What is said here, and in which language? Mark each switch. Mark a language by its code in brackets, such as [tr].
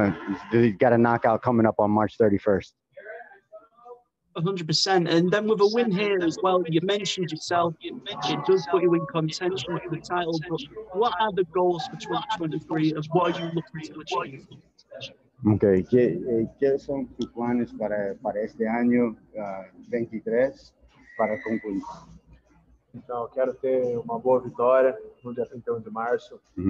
[en] it's something that you're looking to bring into this fight as well. 100%. And then with a win here as well, you mentioned yourself, it does put you in contention with the title, but what are the goals for 2023 and what are you looking to achieve? Okay. [es] ¿Qué son tus planes para este año 23 para concluir? [pt] Então, quero ter uma boa vitória no dia 31 de março.